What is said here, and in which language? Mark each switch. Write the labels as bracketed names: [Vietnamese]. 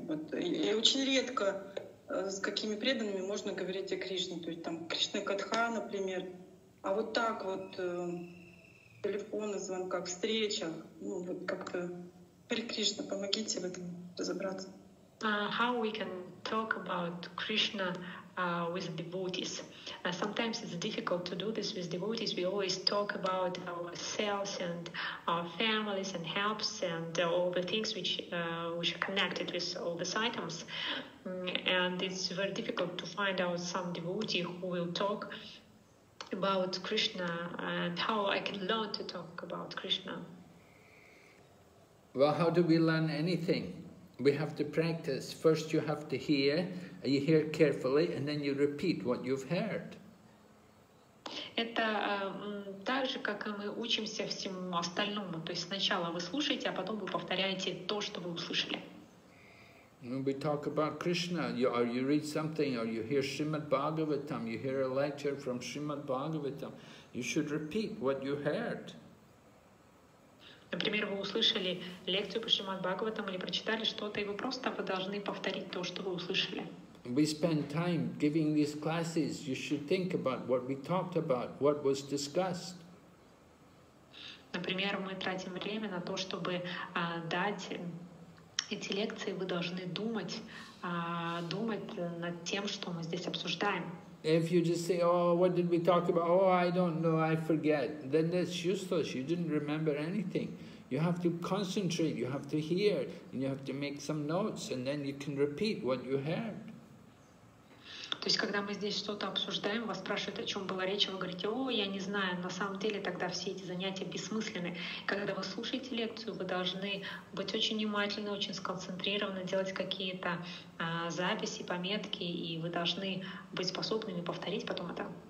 [Russian] Вот, и очень редко с какими преданными можно говорить о Кришне, то есть там Кришна Катха, например, а вот так вот телефоны, звонка, встреча, ну вот как-то Хари Кришна, помогите в этом разобраться. [English] How we can talk about Krishna with devotees. Sometimes it's difficult to do this with devotees. We always talk about ourselves and our families and helps and all the things which are connected with all these items. And it's very difficult to find out some devotee who will talk about Krishna and how I can learn to talk about Krishna. Well, how do we learn anything? We have to practice. First you have to hear, and you hear carefully, and then you repeat what you've heard. [Russian] Это так же, как и мы учимся всему остальному. То есть сначала вы слушаете, а потом вы повторяете то, что вы услышали. [English] When we talk about Krishna, you read something, or you hear Srimad Bhagavatam, you hear a lecture from Srimad Bhagavatam, you should repeat what you heard. [Russian] Например, вы услышали лекцию по Шримад Бхагаватам или прочитали что-то, и вы просто должны повторить то, что вы услышали. [English] We spend time giving these classes. You should think about what we talked about, what was discussed. [Russian] Например, мы тратим время на то, чтобы дать эти лекции. Вы должны думать над тем, что мы здесь обсуждаем. [English] If you just say, oh, what did we talk about? Oh, I don't know, I forget. Then that's useless. You didn't remember anything. You have to concentrate, you have to hear, and you have to make some notes, and then you can repeat what you heard. [Russian] То есть, когда мы здесь что-то обсуждаем, вас спрашивают, о чем была речь, вы говорите, о, я не знаю, на самом деле тогда все эти занятия бессмысленны. Когда вы слушаете лекцию, вы должны быть очень внимательны, очень сконцентрированы, делать какие-то записи, пометки, и вы должны быть способными повторить потом это.